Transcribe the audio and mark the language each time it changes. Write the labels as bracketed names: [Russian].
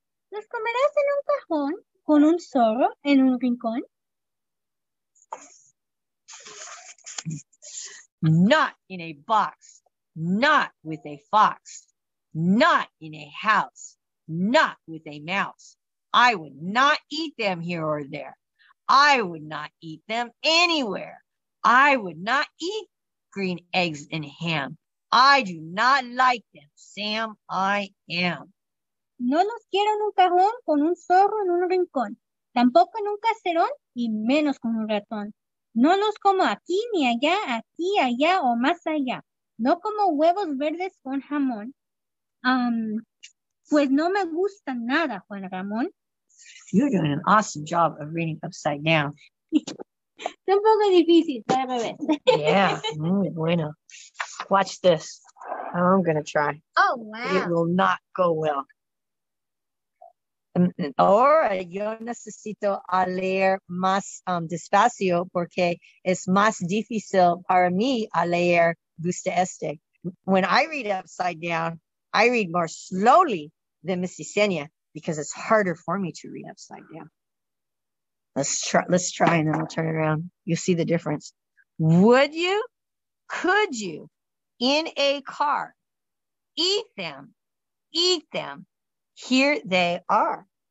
[Spanish] ¿Los comerás en un cajón con un zorro en un rincón? [English] Not in a box, not with a fox, not in a house, not with a mouse. I would not eat them here or there. I would not eat them anywhere. I would not eat green eggs and ham. I do not like them, Sam, I am. [Spanish] No los quiero en un cajón con un zorro en un rincón. Tampoco en un caserón y menos con un ratón. No los como aquí ni allá, aquí, allá o más allá. No como huevos verdes con jamón. Pues no me gusta nada, Juan Ramón. [English] You're doing an awesome job of reading upside down. [Spanish] Está un poco difícil, déjame [English] ver. Yeah, [Spanish] muy bueno. [English] Watch this. I'm going to try. Oh, wow. It will not go well. [Spanish] Ahora yo necesito a leer más despacio porque es más difícil para mí a leer gusta este. [English] When I read upside down, I read more slowly than Miss Yesenia because it's harder for me to read upside down. Let's try and then I'll turn around. You'll see the difference. Would you, could you, in a car, eat them, here they are.